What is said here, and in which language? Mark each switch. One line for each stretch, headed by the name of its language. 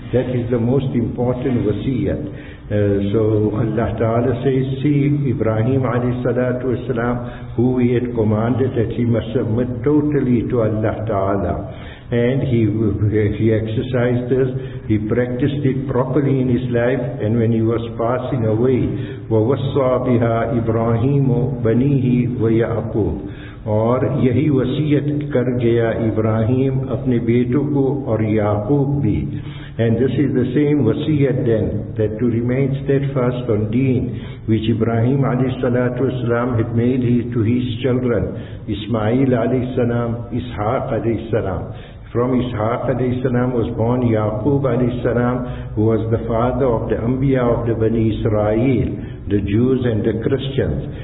English: That is the most important wasiyat. So Allah Ta'ala says, see Ibrahim alayhi salatu wasalam, who he had commanded that he must submit totally to Allah Ta'ala. And he exercised this, he practiced it properly in his life, and when he was passing away,
Arabic: وَوَصَّى بِهَا إِبْرَاهِيمُ بَنِيهِ وَيَعْقُوبُ.
Urdu: اور یہی وصیت کر گیا ابراہیم اپنے بیٹوں کو اور یعقوب بھی.
English: And this is the same wasiyat then, that to remain steadfast on deen, which Ibrahim alayhi salatu wasalam had made to his children, Ismail alayhi salam, Ishaq alayhi salam. From Ishaq alayhi salam was born Yaqub alayhi salam, who was the father of the Anbiya of the Bani Israel, the Jews and the Christians.